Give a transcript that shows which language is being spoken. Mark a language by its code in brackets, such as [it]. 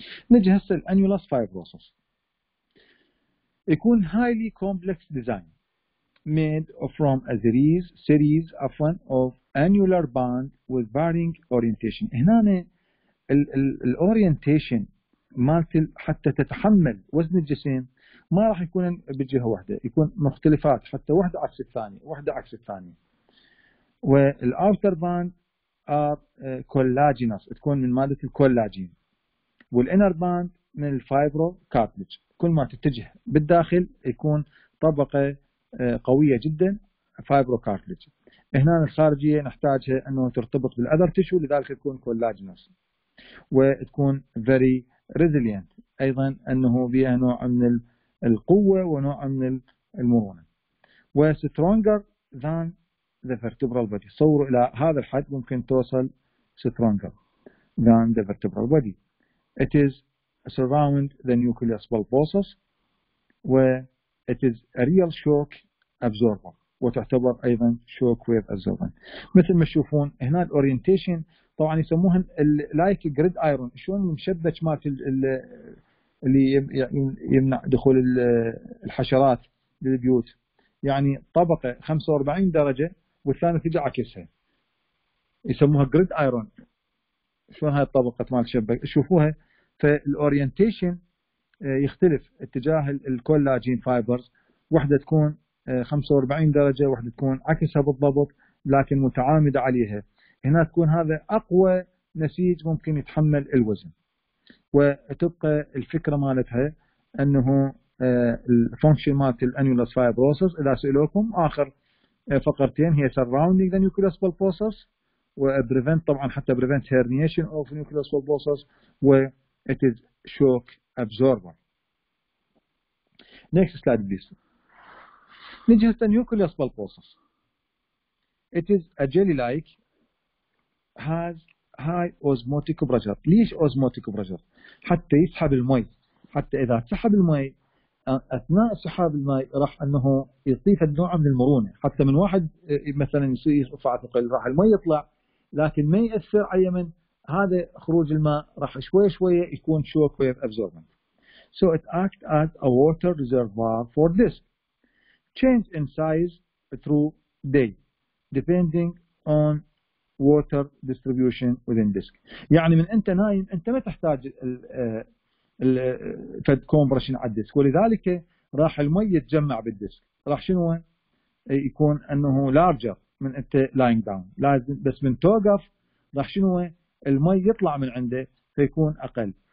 [ar] نجي هسه الأنيولوس فايبروسس يكون [en] highly complex design made from a series of one of annular band with varying orientation. [ar] هنا ال orientation مالتل حتى تتحمل وزن الجسم ما راح يكون بجهة واحدة، يكون مختلفات حتى واحدة عكس الثانية واحدة عكس الثانية. وال [en] outer band are collagenous [ar] تكون من مادة الكولاجين، وال [en] inner band [ar] من الفايبرو كارتليج. كل ما تتجه بالداخل يكون طبقة قوية جدا فايبرو كارتليج. هنا الخارجية نحتاجها أنه ترتبط بالأذر تشو لذلك تكون كولاجينوس وتكون [en] very resilient [ar] أيضا أنه بها نوع من القوة ونوع من المرونة و [en] stronger than the vertebral body. [ar] صوروا إلى هذا الحد ممكن توصل [en] stronger than the vertebral body. It is surround the nucleus bulbosus و it is a real shock absorber [ar] وتعتبر ايضا شوك ويف ازوبن. مثل ما تشوفون هنا الاورينتيشن طبعا يسموها لايك جريد ايرون، شلون مشبك مالت اللي يمنع دخول الحشرات للبيوت، يعني طبقه 45 درجه والثانيه تجي عكسها يسموها جريد ايرون. شلون هاي الطبقه مال شبك شوفوها. فالاورينتيشن يختلف اتجاه الكولاجين فايبرز، واحده تكون 45 درجة واحدة تكون عكسها بالضبط لكن متعامدة عليها. هنا تكون هذا أقوى نسيج ممكن يتحمل الوزن، وتبقى الفكرة مالتها أنه الفونكشن مالت الأنيولوس فايبروسس. إذا سألوكم آخر فقرتين هي [en] surrounding the nucleus bulbosus وprevent [ar] طبعا حتى [en] prevent herniation of nucleus bulbosus و it is shock absorber. next slide please. [ar] نجي هسه نيوكليوس بالبوسس. [en] It is a jelly-like has high osmotic pressure. [ar] ليش osmotic pressure؟ حتى يسحب المي، حتى إذا سحب المي أثناء سحاب المي راح أنه يضيف النوع من المرونة، حتى من واحد مثلا يصير رفع ثقل راح المي يطلع لكن ما يأثر على يمن هذا خروج الماء راح شوي شوي يكون شوك ويف absorbent. [en] So it act as a water reservoir for this. Change in size through day depending on water distribution within disk. [ar] يعني من انت نايم انت ما تحتاج ال فد كومبرشن على الديسك، ولذلك راح المي يتجمع بالديسك راح شنو يكون انه لارجر من انت لاينج داون، لازم بس من توقف راح شنو المي يطلع من عنده فيكون اقل.